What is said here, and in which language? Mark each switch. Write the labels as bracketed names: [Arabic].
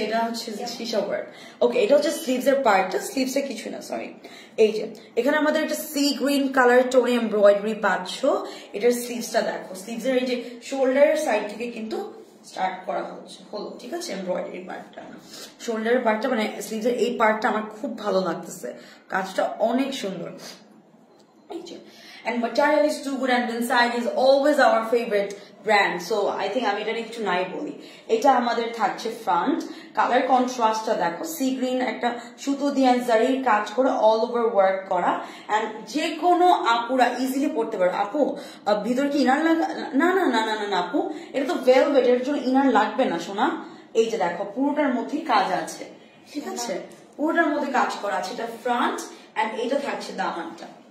[Bangla] এটা হচ্ছে shisha work. ওকে, এটা হচ্ছে স্লিভস এর পার্টটা, স্লিভস এর কিছু না, সরি, এই যে এখানে আমাদের একটা সি গ্রিন কালার টোনে এমব্রয়ডারি পাচ্ছ, এটার স্লিভসটা দেখো, স্লিভস এর এই যে শোল্ডার সাইড থেকে কিন্তু স্টার্ট করা হচ্ছে, হলো, ঠিক আছে, এমব্রয়ডারি পার্টটা, শোল্ডারের পার্টটা, মানে স্লিভসের এই পার্টটা আমার খুব ভালো লাগতেছে, কাজটা অনেক সুন্দর। [English] এই যে, and material is too good and inside is always our favorite [Bangla] brand so I think আমি এটা একটু নাই বলি এটা আমাদের থাকছে ফ্রন্ট কালার কন্ট্রাস্টটা দেখো সি গ্রিন একটা সুতো দিয়ে জারির কাজ করে অল ওভার ওয়ার্ক করা অ্যান্ড যে কোনো আপুরা ইজিলি পড়তে পারে আপু ভিতর কি ইনার লাগা না না না না না আপু এটা তো ভেলভেট এর জন্য ইনার লাগবে না সোনা এই যে দেখো পুরোটার মধ্যে কাজ আছে ঠিক আছে পুরোটার মধ্যে কাজ করা আছে এটা ফ্রন্ট অ্যান্ড এইটা থাকছে দামানটা